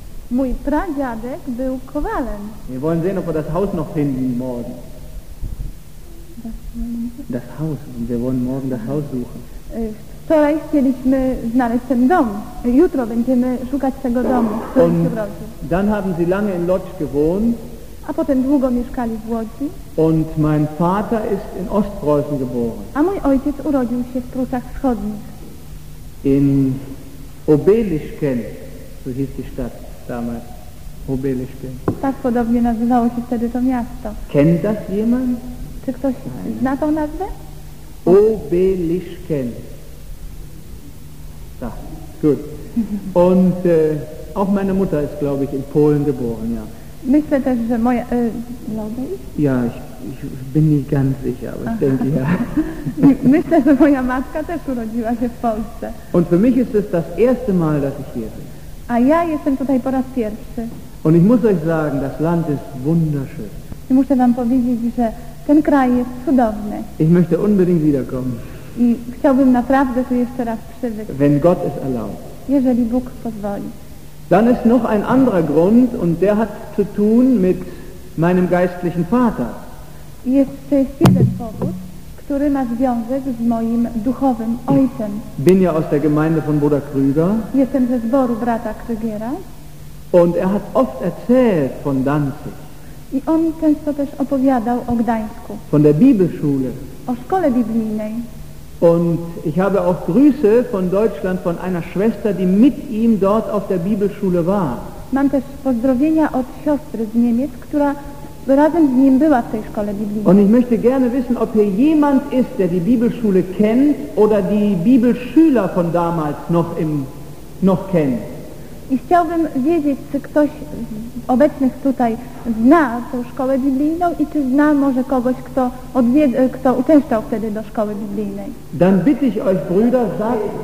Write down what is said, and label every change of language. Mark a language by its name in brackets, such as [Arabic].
[Polish] Mój pradziadek był kowalem. [German] Wir wollen sehen, ob wir das Haus noch finden morgen. Das Haus. Wir wollen morgen das Haus suchen. [Polish] Wczoraj chcieliśmy znaleźć ten dom. Jutro będziemy szukać tego domu, w którym się wrodzi. [German] Dann haben sie lange in Lodz gewohnt. [Polish] A potem długo mieszkali w Łodzi. [German] Und mein Vater ist in Ostpreußen geboren. [Polish] A mój ojciec urodził się w Prusach Wschodnich. [German] In Obelischken, so hieß die Stadt damals. Obelischken. [Polish] Tak podobnie nazywało się wtedy to miasto. [German] Kennt das jemand? [Polish] Czy ktoś zna tą nazwę? [German] Obelischken. Da, gut. Und auch meine Mutter ist, glaube ich, in Polen geboren, ja. [Polish] Myślę też, że moja... [German] glaube ich? Ja, ich bin nicht ganz sicher, aber ich denke, ja. [Polish] Myślę, że moja matka też urodziła się w Polsce. [German] Und für mich ist es das erste Mal, dass ich hier bin. [Polish] A ja jestem tutaj po raz pierwszy. [German] Und ich muss euch sagen, das Land ist wunderschön. [Polish] I muszę wam powiedzieć, że ten kraj jest cudowny. [German] Ich möchte unbedingt wiederkommen. [Polish] I chciałbym naprawdę tu jeszcze raz przybyć. [German] Wenn Gott es erlaubt. [Polish] Jeżeli Bóg pozwoli. [German] Dann ist noch ein anderer Grund und der hat zu tun mit meinem geistlichen Vater. [Polish] Jest jeden powód, który ma związek z moim duchowym ojcem. [German] Bin ja aus der Gemeinde von Bruder Krüger. [Polish] Jestem ze zboru brata Krügiera. [German] Und er hat oft erzählt von Danzig. [Polish] I on często też opowiadał o Gdańsku. [German] Von der Bibelschule. [Polish] O szkole biblijnej. [German] Und ich habe auch Grüße von Deutschland von einer Schwester, die mit ihm dort auf der Bibelschule war. [Polish] Mam też pozdrowienia od siostry z Niemiec, która razem z nim była w tej szkole biblijnej. [German] Und ich möchte gerne wissen, ob hier jemand ist, der die Bibelschule kennt oder die Bibelschüler von damals noch kennt. [Polish] I chciałbym wiedzieć, czy ktoś z obecnych tutaj zna tę szkołę biblijną i czy zna może kogoś, kto uczęszczał wtedy do szkoły biblijnej. [German] Dann bitte ich euch, Brüder, sagt...